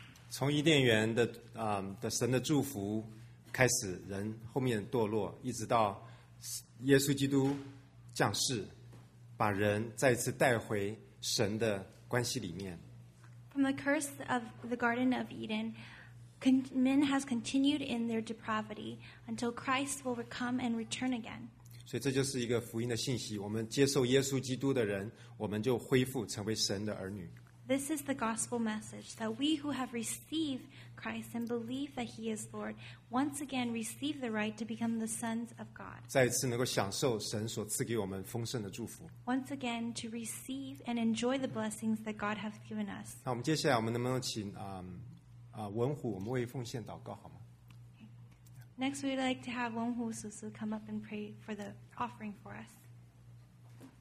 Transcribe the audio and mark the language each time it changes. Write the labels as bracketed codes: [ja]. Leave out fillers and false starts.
[zh] 从伊甸园的的神的祝福开始，人后面堕落，一直到耶稣基督降世，把人再次带回神的关系里面。 [en] From the curse of the Garden of Eden, men has continued in their depravity until Christ will come and return again. [zh] 所以这就是一个福音的信息，我们接受耶稣基督的人，我们就恢复成为神的儿女。 [en] This is the gospel message that we who have received Christ and believe that He is Lord once again receive the right to become the sons of God. [zh] 再次能够享受神所赐给我们丰盛的祝福。 [en] Once again to receive and enjoy the blessings that God has given us. [zh] 那我们接下来我们能不能请文虎我们为奉献祷告好吗 [en] ？Next, we'd like to have Wenhu Susu come up and pray for the offering for us.